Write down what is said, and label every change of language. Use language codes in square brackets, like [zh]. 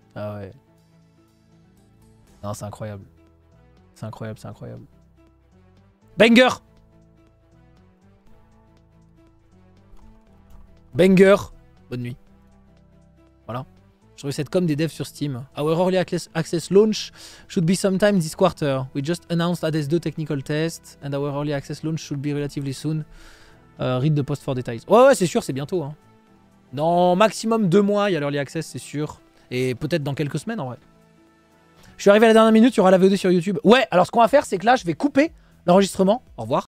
[fr] Ah ouais. Non, c'est incroyable. C'est incroyable. Banger. Bonne nuit. Voilà. Je trouve cette com des devs sur Steam. [en] Our early access launch should be sometime this quarter. We just announced Hades 2 technical test and our early access launch should be relatively soon. Read the post for details. [fr] Ouais, c'est sûr, c'est bientôt. Hein. Dans maximum 2 mois, il y a l'early access, c'est sûr. Et peut-être dans quelques semaines, en vrai. Je suis arrivé à la dernière minute, il y aura la VOD sur YouTube. Ouais, alors ce qu'on va faire, c'est que là, je vais couper l'enregistrement. Au revoir.